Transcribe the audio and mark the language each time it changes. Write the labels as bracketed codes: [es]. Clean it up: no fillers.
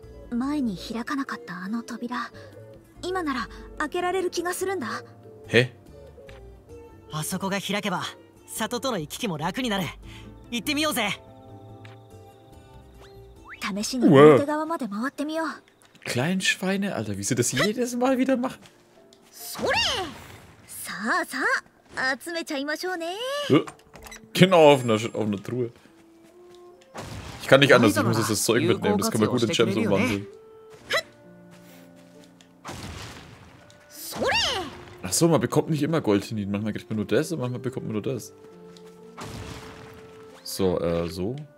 [ja] 前に開かなかったあの扉、今なら開けられる気がするんだ。え？あそこが開けば里との行き来も楽になる。行ってみようぜ。試しに表側まで回ってみよう。 [de] Kleine Schweine, Alter, wie sie das jedes Mal wieder machen. [ja] それ！さあさあ、集めちゃいましょうね。 [de] Genau auf einer Truhe. Ich kann nicht anders, ich muss jetzt das Zeug mitnehmen, das kann man gut in Gems umwandeln. Achso, man bekommt nicht immer Goldtinnit, manchmal kriegt man nur das und manchmal bekommt man nur das. So, so.